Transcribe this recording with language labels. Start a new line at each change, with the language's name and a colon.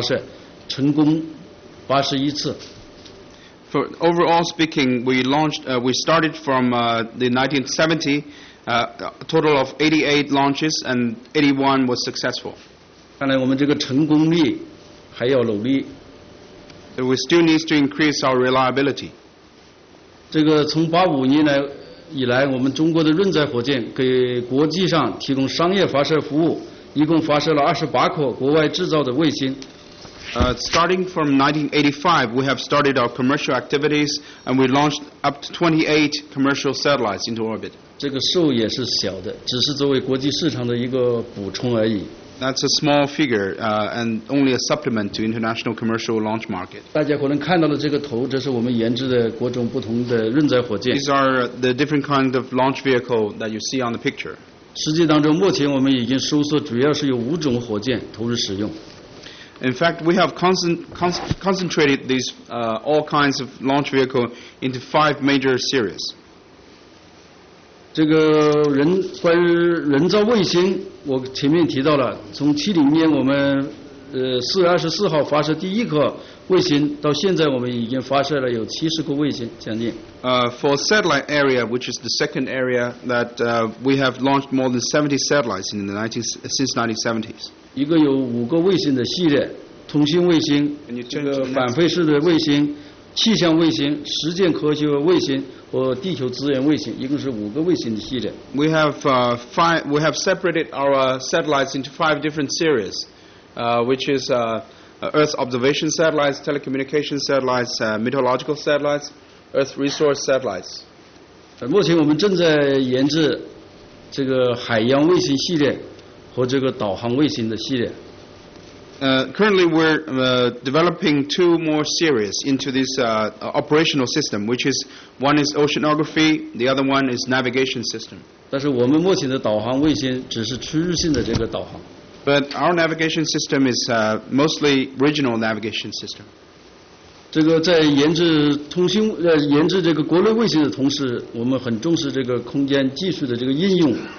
Chinese: 但整体来讲，从1970年，我们一共进行了88次发射，成功81次。
English: For overall speaking, we started from the 1970, a total of 88 launches and 81 was successful.
Chinese: 看来我们这个成功率还要努力。
English: We still need to increase our reliability.
Chinese: 这个从85年来以来，我们中国的润载火箭给国际上提供商业发射服务，一共发射了28颗国外制造的卫星。
English: Starting from 1985, we have started our commercial activities, and we launched up to 28 commercial satellites into orbit.
Chinese: 这个数也是小的，只是作为国际市场的一个补充而已。
English: That's a small figure, and only a supplement to international commercial launch market.
Chinese: 大家可能看到的这个图，这是我们研制的各种不同的润载火箭。
English: These are the different kind of launch vehicle that you see on the picture.
Chinese: 实际当中，目前我们已经收缩，主要是有5种火箭投入使用。
English: In fact, we have concentrated these all kinds of launch vehicle into 5 major series.
Chinese: 这个人关于人造卫星，我前面提到了，从1970年我们4月24号发射第一颗卫星，到现在我们已经发射了有70颗卫星将近。
English: For satellite area, which is the second area that we have launched more than 70 satellites since 1970s.
Chinese: 一个有5个卫星的系列，通信卫星、这个反馈式的卫星、气象卫星、实践科学卫星和地球资源卫星，一共是5个卫星的系列。
English: We have separated our satellites into 5 different series, which is Earth observation satellites, telecommunication satellites, meteorological satellites, Earth resource satellites.
Chinese: 目前我们正在研制这个海洋卫星系列和这个导航卫星的系列。
English: Currently, we're developing 2 more series into this operational system, which is one is oceanography, the other one is navigation system.
Chinese: 但是我们目前的导航卫星只是区域性的这个导航。
English: But our navigation system is mostly regional navigation system.
Chinese: 这个在研制通信研制这个国内卫星的同时，我们很重视这个空间技术的这个应用。